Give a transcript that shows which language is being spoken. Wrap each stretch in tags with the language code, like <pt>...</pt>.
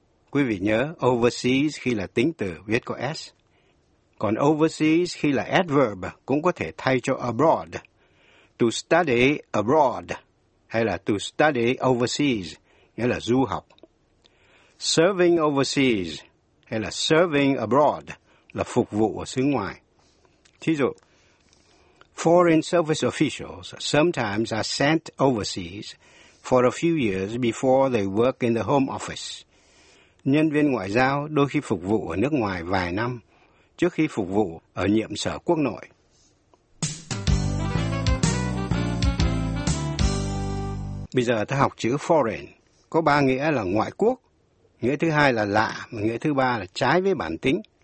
<vi>Quý vị nhớ, overseas khi là tính từ viết có S. Còn overseas khi là adverb cũng có thể thay cho abroad. To study abroad hay là to study overseas, nghĩa là du học. Serving overseas hay là serving abroad là phục vụ ở xứ ngoài. Thí dụ,</vi> <en>foreign service officials sometimes are sent overseas for a few years before they work in the home office.</en> <vi>Nhân viên ngoại giao đôi khi phục vụ ở nước ngoài vài năm trước khi phục vụ ở nhiệm sở quốc nội. Bây giờ ta học chữ foreign, có ba nghĩa là ngoại quốc, nghĩa thứ hai là lạ, và nghĩa thứ ba là trái với bản tính.</vi>